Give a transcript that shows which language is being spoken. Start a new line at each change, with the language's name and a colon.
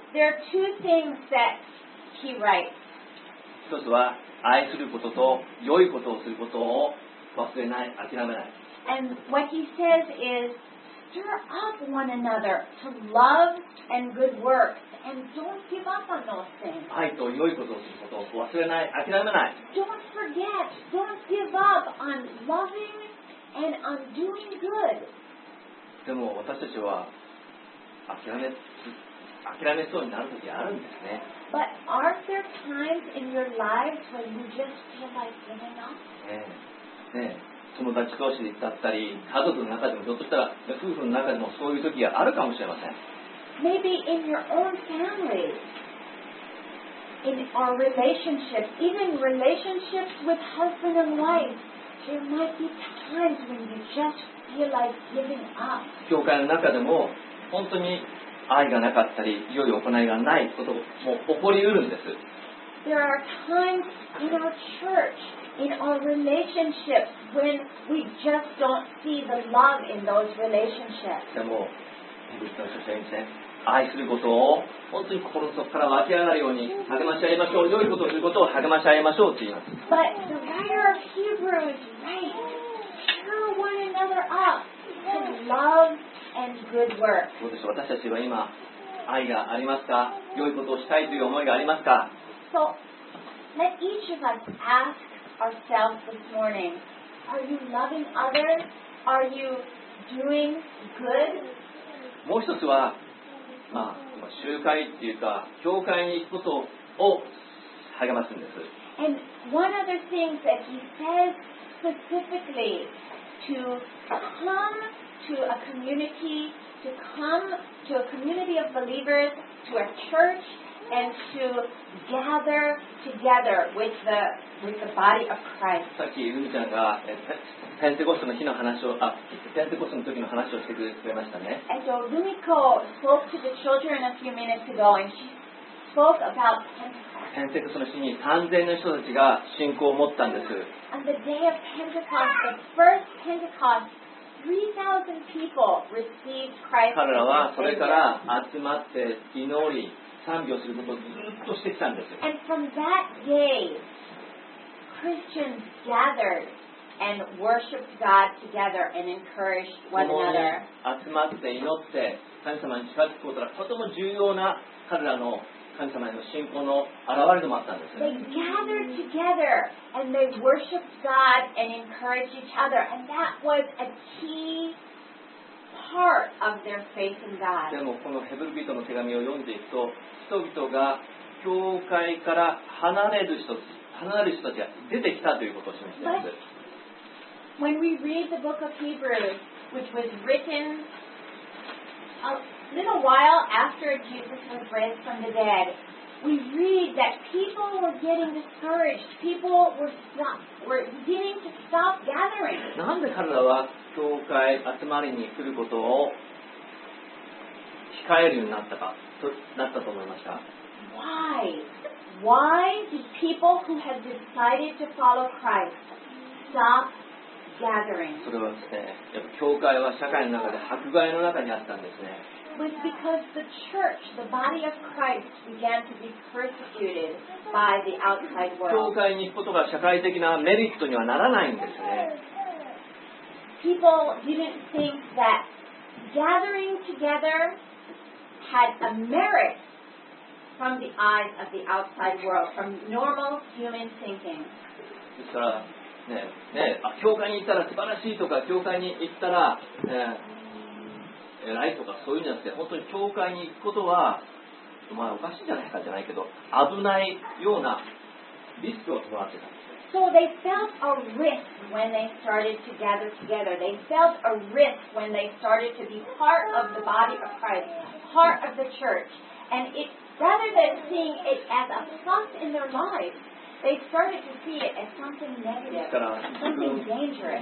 English: There are two things that he writes.
Japanese: 一つは愛することと良いことをすることを忘れない、諦めない。
English: And what he says is, stir up one another to love and good works. And don't give up on those things.
Japanese: 愛と良いことをすることを忘れない、諦めない。
English: Don't forget, don't give up on loving and on doing good.
Japanese: でも私たちは諦め諦めそうになる時あるんですね。
English: But aren't there times in your lives when you just feel like giving up?
Japanese: ね、友達同士だったり、家族の中でも、ひょっとしたら夫婦の中でもそういう時があるかもしれません。
English: Maybe in your own family, in our relationships, even relationships with husband and wife, there might be times when you just feel like giving up.
Japanese: 教会の中でも本当に愛がなかったり、良い行いがないことも起こりうるんです。
English: There are times in our church, in our relationships, when we just don't see the love in those relationships.
Japanese: でも、牧師の書店ですね。愛することを本当に心の底から湧き上がるように励まし合いましょう。良いことをすることを励まし合いましょうと言います。
English: But the writer of Hebrews writes, cheer one another up to love and good work.
Japanese: どうでしょう。私たちは今、愛がありますか？良いことをしたいという思いがありますか？
English: So, let each of us ask ourselves this morning, are you loving others? Are you doing good?
Japanese: もう一つは、まあ、集会っていうか教会に行くことを励ますんです。
English: And one other thing that he says specifically to come to a community, to come to a community of believers, to a church, and to gather together with the body of Christ.
Japanese: さっきユミちゃんがペンテコストの日の話を、ペンテコストの時の話をしてくれましたね。
English: ルミコ spoke to the children a few minutes ago and she spoke about Pentecost.
Japanese: ペンテコストの日に3000の人たちが信仰を持ったんです。
English: On the day of Pentecost, the first Pentecost, 3,000 people received Christ.
Japanese: 彼らはそれから集まって祈り、賛美をすることをずっとしてきたんです。
English: And from that day, Christians gathered. And worshiped God together and encouraged one another.
Japanese: 集まって祈って神様に近づくことがとても重要な彼らの神様への信仰の表れでもあったんです。
English: They gathered together and they worshiped God and encouraged each other, and that was a key part of their faith in God.
Japanese: でもこのヘブル人の手紙を読んでいくと、人々が教会から離れる人たちが出てきたということを示しています。
English: When we read the book of Hebrews, which was written a little while after Jesus was raised from the dead, we read that people were getting discouraged. People were beginning to stop gathering.
Japanese: なんで彼らは教会集まりに来ることを控えるようになったか、となったと思いました。
English: Why? Why did people who had decided to follow Christ stop?
Japanese: それはですね、やっぱ教会は社会の中で迫害の中にあったんですね。
English: Was because the church, the body of Christ, began to be persecuted by the outside world.
Japanese: 教会に行くことが社会的なメリットにはならないんですね。
English: People didn't think that gathering together had a merit from the eyes of the outside world, from normal human thinking.
Japanese: ですから。ねえ、教会に行ったら素晴らしいとか、教会に行ったら、偉いとか、そういうんじゃなくて、本当に教会に行くことは、お前おかしいじゃないかじゃないけど、危ないようなリスクを伴ってたんです。
English: So they felt a risk when they started to gather together. They felt a risk when they started to be part of the body of Christ, part of the church. And it, rather than seeing it as a plus in their lives,They started to see it as something negative, something dangerous.